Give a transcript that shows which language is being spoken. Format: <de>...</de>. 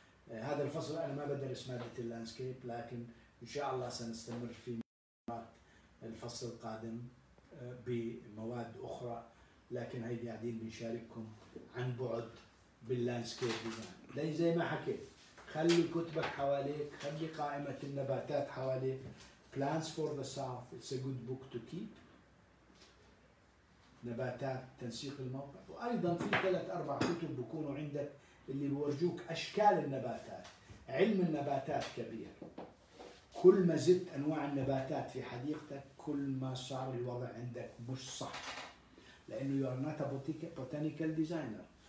<ar>هذا الفصل أنا ما بدرس مادة اللاندسكيب، لكن إن شاء الله سنستمر في الفصل القادم بمواد أخرى، لكن هيدي قاعدين بنشارككم عن بعد باللاندسكيب ديزاين. لي زي ما حكيت، خلي كتبك حواليك، خلي قائمة النباتات حواليك.</ar> <en>Plants for the South it's a good book to keep.</en> <ar>نباتات تنسيق الموقع، وأيضا في ثلاث أربع كتب بكونوا عندك اللي بورجوك أشكال النباتات. علم النباتات كبير، كل ما زدت أنواع النباتات في حديقتك كل ما صار الوضع عندك مش صح، لأنه</ar> <en>you are not a botanical designer.</en>